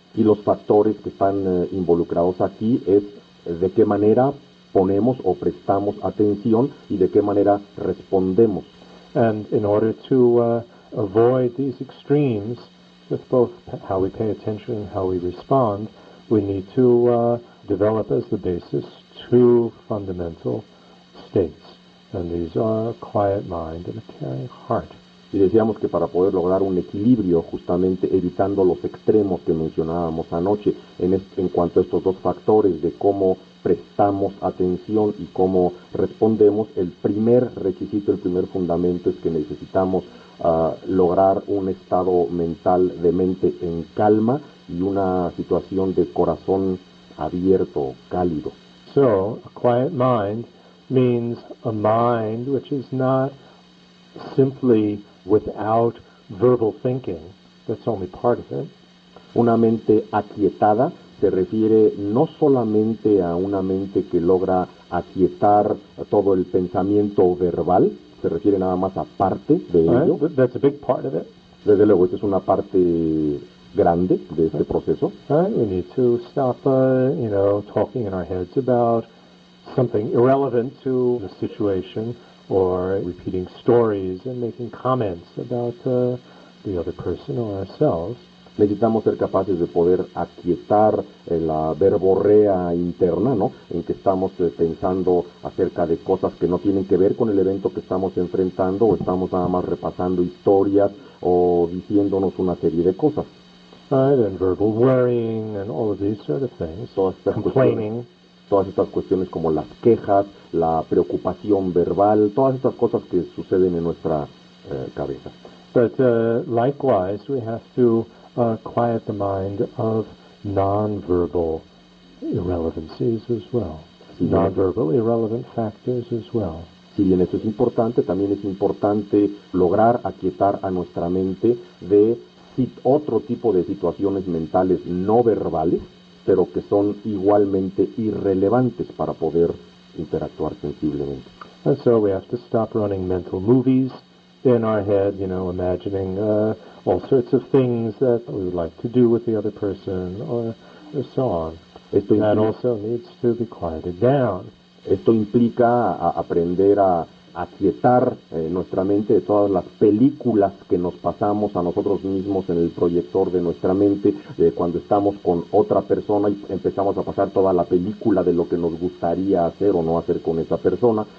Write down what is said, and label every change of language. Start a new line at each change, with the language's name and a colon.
Spanish: Y los factores que están involucrados aquí es de qué manera ponemos o prestamos atención y de qué manera respondemos.
English: And in order to avoid these extremes with both how we pay attention and how we respond, we need to develop as the basis two fundamental states. And these are a quiet mind and a caring heart.
Spanish: Y decíamos que para poder lograr un equilibrio, justamente evitando los extremos que mencionábamos anoche, en cuanto a estos dos factores de cómo prestamos atención y cómo respondemos, el primer requisito, el primer fundamento es que necesitamos lograr un estado mental de mente en calma y una situación de corazón abierto, cálido.
English: So, a quiet mind means a mind which is not simply without verbal thinking, that's only part of it.
Spanish: Una mente aquietada se refiere no solamente a una mente que logra aquietar todo el pensamiento verbal, se refiere nada más a parte de
English: right.
Spanish: ello.
English: That's a big part of it.
Spanish: Desde luego, esta es una parte grande de este proceso.
English: Right. We need to stop, talking in our heads about something irrelevant to the situation, or repeating stories and making comments about the other person or ourselves.
Spanish: Necesitamos ser capaces de poder aquietar la verborrea interna, ¿no? En que estamos pensando acerca de cosas que no tienen que ver con el evento que estamos enfrentando, o estamos nada más repasando historias o diciéndonos una serie de cosas.
English: Right, and verbal worrying and all of these sort of things. Complaining.
Spanish: Todas estas cuestiones como las quejas, la preocupación verbal, todas estas cosas que suceden en nuestra cabeza.
English: But likewise, we have to quiet the mind of non-verbal irrelevancies as well.
Spanish: Sí,
English: non-verbal irrelevant factors as well.
Spanish: Si bien esto es importante, también es importante lograr aquietar a nuestra mente de otro tipo de situaciones mentales no verbales, pero que son igualmente irrelevantes para poder interactuar sensiblemente.
English: And so we have to stop running mental movies in our head, you know, imagining all sorts of things that we would like to do with the other person, or so on. That also needs to be quieted down.
Spanish: Esto implica aprender a aquietar nuestra mente de todas las películas que nos pasamos a nosotros mismos en el proyector de nuestra mente cuando estamos con otra persona y empezamos a pasar toda la película de lo que nos gustaría hacer o no hacer con esa persona.